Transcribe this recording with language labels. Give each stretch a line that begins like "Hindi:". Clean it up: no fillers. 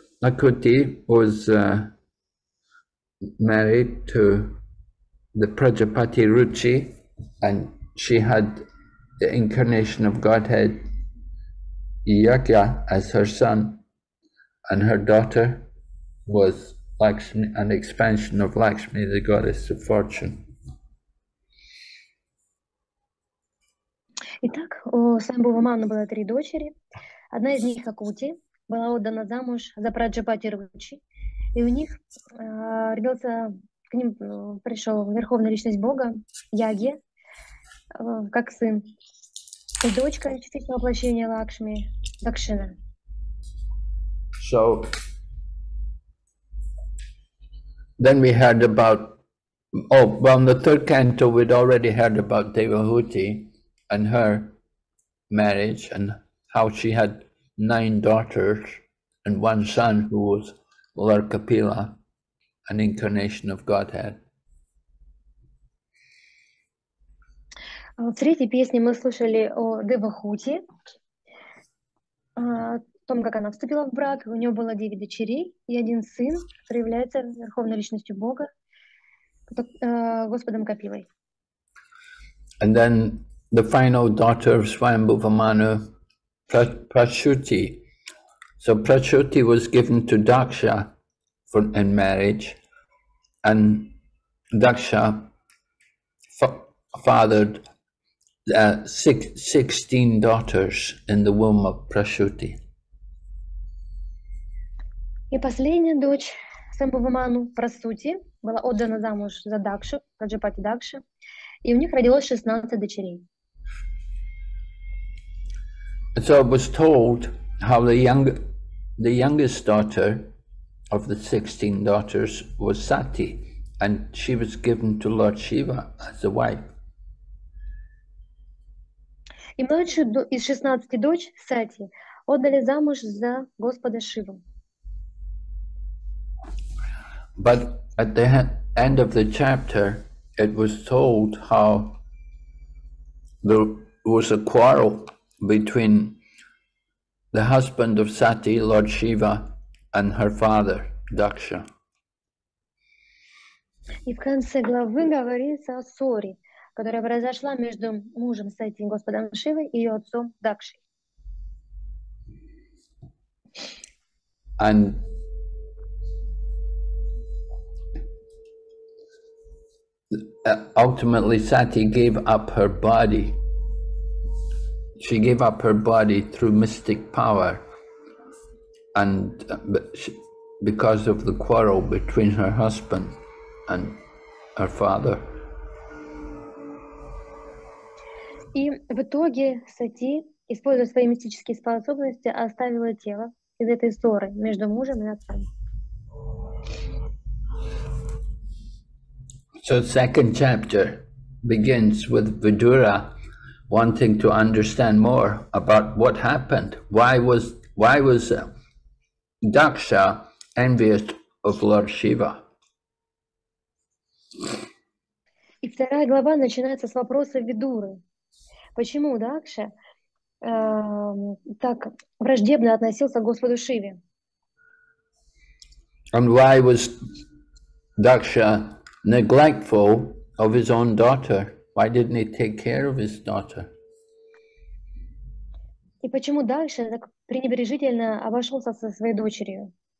English: Akuti was married to the Prajapati Ruchi, and she had the incarnation of Godhead Yagya as her son, and her daughter was Lakshmi, an expansion of Lakshmi, the goddess of fortune.
Russian: Итак, у Свайамбхува Ману было три дочери. Одна из них, Акути, была отдана замуж за Праджапати Ручи, и у них родился, к ним пришел верховная личность Бога, Яги, как сын. И дочка частичного воплощения Лакшми, Дакшина.
English: So then we heard about, in the third canto we'd already heard about Devahuti and her marriage and how she had nine daughters and one son who was Lord Kapila, an incarnation of Godhead.
Russian: В третьей песне мы слушали о Девахути, о том, как она вступила в брак. У нее было девять дочерей и один сын, который является верховной личностью Бога, Господом Капилой.
English: And then the final daughter of Svayambhuva Manu, Prashuti. So Prashuti was given to Daksha for in marriage, and Daksha fathered 16 daughters in the womb of Prashuti.
Russian: И последняя дочь Свайамбхува Ману, Прасути, была отдана замуж за Дакшу, Праджапати Дакшу, и у них родилось 16 дочерей.
English: So it was told how the youngest daughter of the 16 daughters was Sati, and she was given to Lord Shiva as a wife.
Russian: И младшую из 16 дочь Сати отдали замуж за Господа Шиву.
English: But at the end of the chapter, it was told how there was a quarrel between the husband of Sati, Lord Shiva, and her father, Daksha.
Russian: И в конце главы говорится о ссоре, которая произошла между мужем Сати, господом Шивой, и ее отцом Дакшей.
English: And ultimately, Sati gave up her body She gave up her body through mystic power, and because of the quarrel between her husband and her father.
Russian: И в итоге Сати, используя свои мистические способности, оставила тело из этой ссоры между мужем и отцом.
English: So the second chapter begins with Vidura wanting to understand more about what happened. Why was Daksha envious of Lord Shiva?
Russian: И вторая глава начинается с вопроса Видуры. Почему Дакша так враждебно относился к Господу Шиве?
English: And why was Daksha neglectful of his own daughter? Why didn't he take care of his daughter?
Russian: И почему Дакша так пренебрежительно обошелся со своей дочерью?